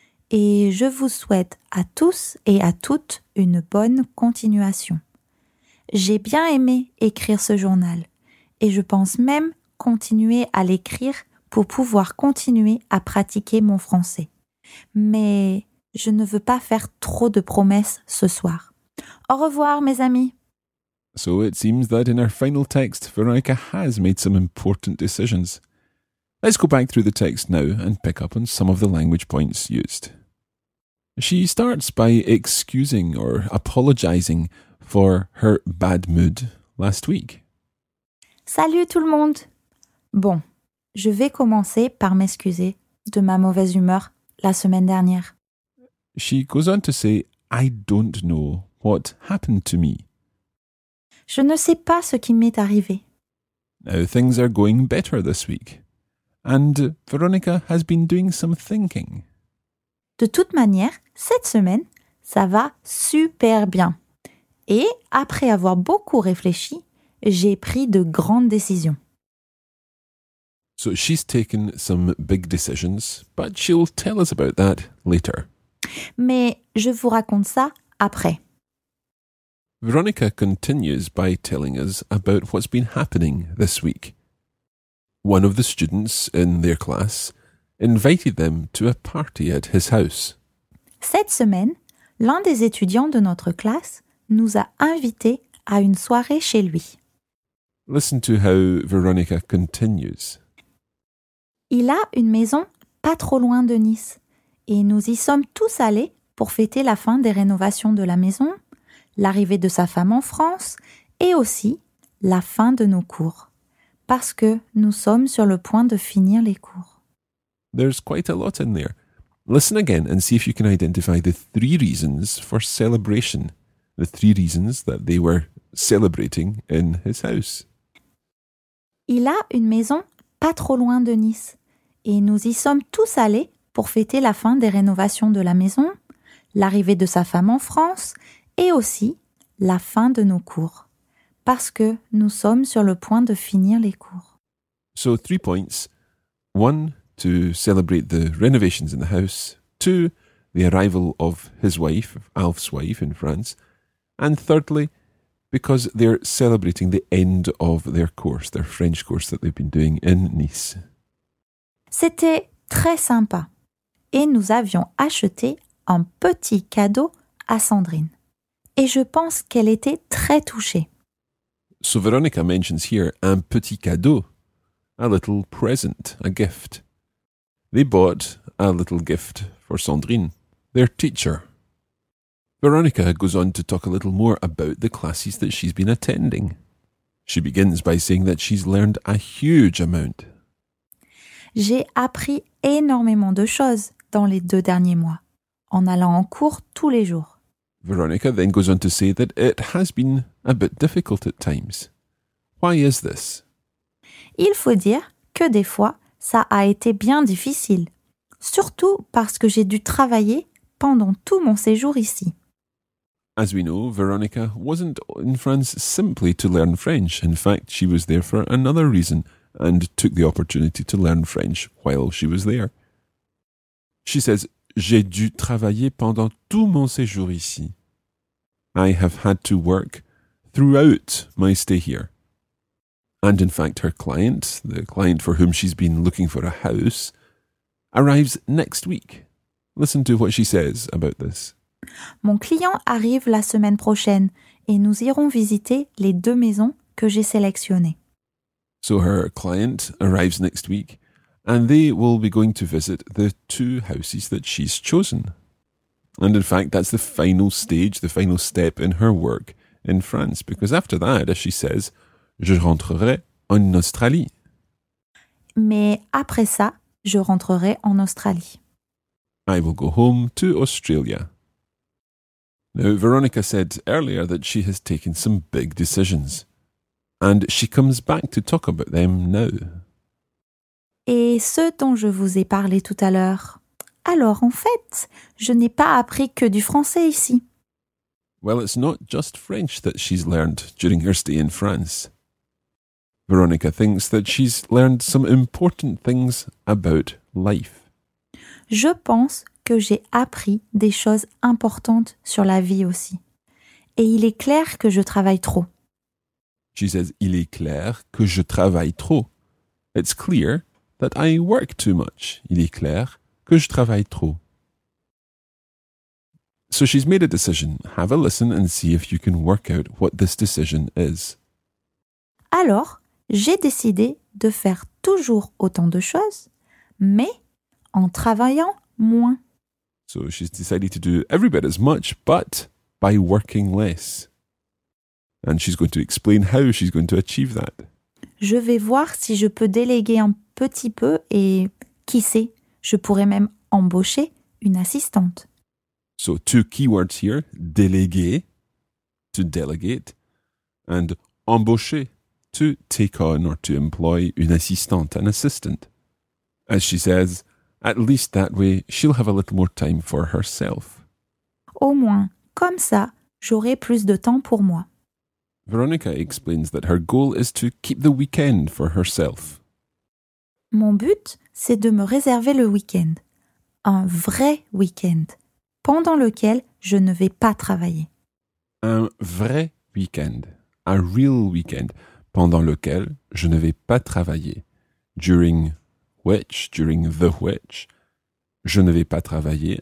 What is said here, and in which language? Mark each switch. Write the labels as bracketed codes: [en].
[fr] Et je vous souhaite à tous et à toutes une bonne continuation. J'ai bien aimé écrire ce journal et je pense même continuer à l'écrire pour pouvoir continuer à pratiquer mon français. Mais je ne veux pas faire trop de promesses ce soir. Au revoir, mes amis. [en] So it seems that in our final text, Veronica has made some important decisions. Let's go back through the text now and pick up on some of the language points used. She starts by excusing or apologizing for her bad mood last week. [fr] Salut tout le monde! Bon, je vais commencer par m'excuser de ma mauvaise humeur la semaine dernière. [en] She goes on to say, I don't know what happened to me. [fr] Je ne sais pas ce qui m'est arrivé. [en] Now things are going better this week. And Veronica has been doing some thinking. [fr] De toute manière, cette semaine, ça va super bien. Et après avoir beaucoup réfléchi, j'ai pris de grandes décisions. [en] So she's taken some big decisions, but she'll tell us about that later. [fr] Mais je vous raconte ça après. [en] Veronica continues by telling us about what's been happening this week. One of the students in their class invited them to a party at his house. [fr] Cette semaine, l'un des étudiants de notre classe nous a invités à une soirée chez lui. [en] Listen to how Veronica continues. [fr] Il a une maison pas trop loin de Nice et nous y sommes tous allés pour fêter la fin des rénovations de la maison, l'arrivée de sa femme en France et aussi la fin de nos cours. Parce que nous sommes sur le point de finir les cours. [en] There's quite a lot in there. Listen again and see if you can identify the three reasons for celebration. The three reasons that they were celebrating in his house. [fr] Il a une maison pas trop loin de Nice. Et nous y sommes tous allés pour fêter la fin des rénovations de la maison, l'arrivée de sa femme en France et aussi la fin de nos cours. Parce que nous sommes sur le point de finir les cours. [en] So, 3 points. 1, to celebrate the renovations in the house. 2, the arrival of his wife, Alf's wife in France. And thirdly, because they're celebrating the end of their course, their French course that they've been doing in Nice. [fr] C'était très sympa. Et nous avions acheté un petit cadeau à Sandrine. Et je pense qu'elle était très touchée. [en] So Veronica mentions here [fr] un petit cadeau, [en] a little present, a gift. They bought a little gift for Sandrine, their teacher. Veronica goes on to talk a little more about the classes that she's been attending. She begins by saying that she's learned a huge amount. [fr] J'ai appris énormément de choses dans les 2 derniers mois, en allant en cours tous les jours. [en] Veronica then goes on to say that it has been a bit difficult at times. Why is this? [fr] Il faut dire que des fois, ça a été bien difficile. Surtout parce que j'ai dû travailler pendant tout mon séjour ici. [en] As we know, Veronica wasn't in France simply to learn French. In fact, she was there for another reason and took the opportunity to learn French while she was there. She says, [fr] j'ai dû travailler pendant tout mon séjour ici. [en] I have had to work throughout my stay here. And in fact, her client, the client for whom she's been looking for a house, arrives next week. Listen to what she says about this. [fr] Mon client arrive la semaine prochaine et nous irons visiter les 2 maisons que j'ai sélectionnées. [en] So her client arrives next week. And they will be going to visit the 2 houses that she's chosen. And in fact, that's the final stage, the final step in her work in France. Because after that, as she says, [fr] je rentrerai en Australie. Mais après ça, je rentrerai en Australie. [en] I will go home to Australia. Now, Veronica said earlier that she has taken some big decisions. And she comes back to talk about them now. [fr] Et ce dont je vous ai parlé tout à l'heure. Alors, en fait, je n'ai pas appris que du français ici. [en] Well, it's not just French that she's learned during her stay in France. Veronica thinks that she's learned some important things about life. [fr] Je pense que j'ai appris des choses importantes sur la vie aussi. Et il est clair que je travaille trop. [en] She says, [fr] il est clair que je travaille trop. [en] It's clear that I work too much. [fr] Il est clair que je travaille trop. [en] So she's made a decision. Have a listen and see if you can work out what this decision is. [fr] Alors, j'ai décidé de faire toujours autant de choses, mais en travaillant moins. [en] So she's decided to do every bit as much, but by working less. And she's going to explain how she's going to achieve that. [fr] Je vais voir si je peux déléguer un petit peu et, qui sait, je pourrais même embaucher une assistante. [en] So, 2 keywords here, déléguer, to delegate, and embaucher, to take on or to employ [fr] une assistante, [en] an assistant. As she says, at least that way, she'll have a little more time for herself. [fr] Au moins, comme ça, j'aurai plus de temps pour moi. [en] Veronica explains that her goal is to keep the weekend for herself. [fr] Mon but, c'est de me réserver le week-end, un vrai week-end, pendant lequel je ne vais pas travailler. un vrai week-end, [en] a real weekend, [fr] pendant lequel je ne vais pas travailler. [en] During the which, [fr] je ne vais pas travailler.